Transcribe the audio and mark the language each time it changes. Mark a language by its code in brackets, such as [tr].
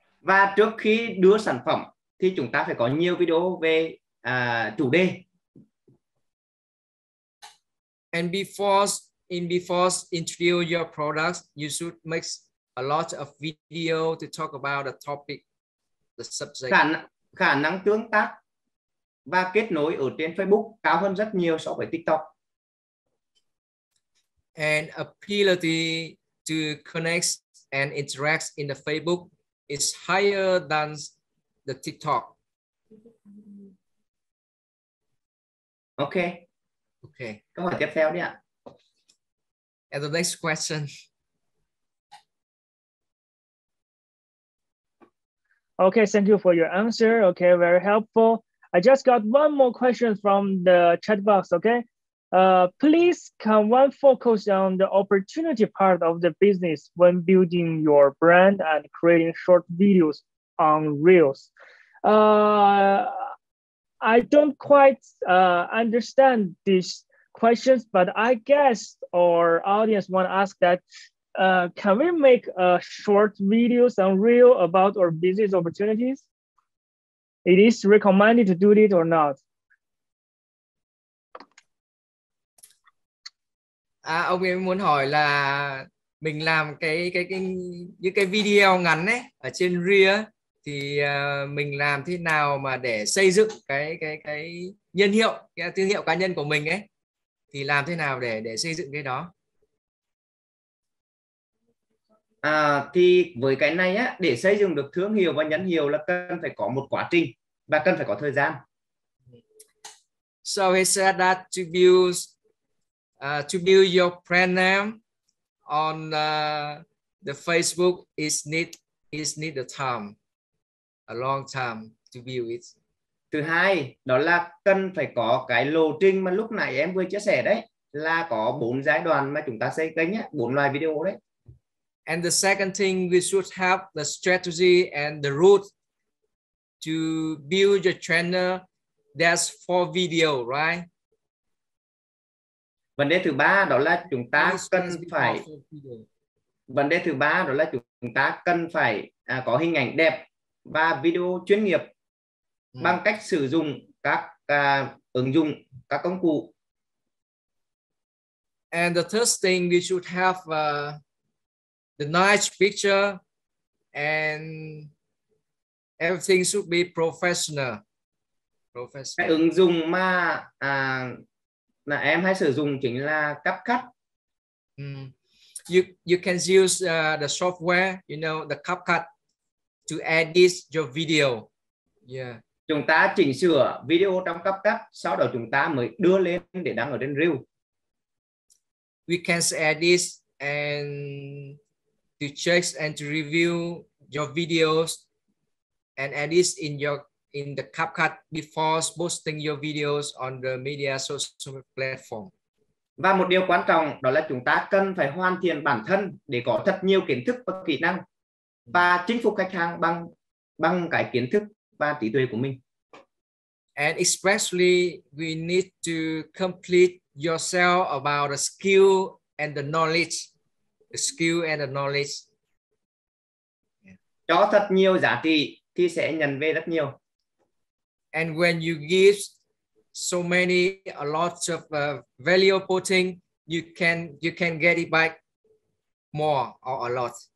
[vi] Và trước khi đưa sản phẩm thì chúng ta phải có nhiều video về chủ đề. [en] And before introduce your products, you should make a lot of video to talk about the topic. [vi] Khả năng tương tác và kết nối ở trên Facebook cao hơn rất nhiều so với TikTok. [en] And ability to connect and interact in the Facebook is higher than the TikTok. [vi] Okay. Câu hỏi tiếp theo đi ạ. [en] And the next question. Okay, thank you for your answer. Okay, very helpful. I just got one more question from the chat box, okay? Please, can one focus on the opportunity part of the business when building your brand and creating short videos on Reels? I don't quite understand these questions, but I guess our audience want to ask that Can we make a short video on Reel about our business opportunities? It is recommended to do it or not? [vi] À, ông ấy muốn hỏi là mình làm cái những cái video ngắn ấy ở trên Reel thì mình làm thế nào mà để xây dựng cái nhân hiệu, cái thương hiệu cá nhân của mình ấy, thì làm thế nào để xây dựng cái đó? À, thì với cái này á, để xây dựng được thương hiệu và nhãn hiệu là cần phải có một quá trình và cần phải có thời gian. [en] So he said that to build your brand name on the Facebook is need the time, a long time to build it. [vi] Thứ hai đó là cần phải có cái lộ trình mà lúc nãy em vừa chia sẻ đấy, là có 4 giai đoạn mà chúng ta xây kênh nhé, 4 loại video đấy. [en] And the second thing, we should have the strategy and the route to build your channel. That's for video, right? [vi] Vấn đề thứ ba đó là chúng ta cần phải. Vấn đề thứ ba đó là chúng ta cần phải có hình ảnh đẹp và video chuyên nghiệp bằng cách sử dụng các ứng dụng, các công cụ. [en] And the third thing, we should have the nice picture and everything should be professional. Professional. [vi] Cái ứng dụng mà em hay sử dụng chính là CapCut. [en] You can use the software, you know, the CapCut to edit your video. Yeah. [vi] Chúng ta chỉnh sửa video trong CapCut, sau đó chúng ta mới đưa lên để đăng ở trên Reel. [en] We can edit and to check and to review your videos and edit in the CapCut before posting your videos on the media social platform. [vi] Và một điều quan trọng đó là chúng ta cần phải hoàn thiện bản thân để có thật nhiều kiến thức và kỹ năng và chinh phục khách hàng bằng cái kiến thức và trí tuệ của mình. [en] And especially we need to complete yourself about the skill and the knowledge. The skill and the knowledge. [vi] Cho thật nhiều giá trị thì sẽ nhận về rất nhiều. [en] And when you give so many, a lot of valuable thing, you can get it back more or a lot.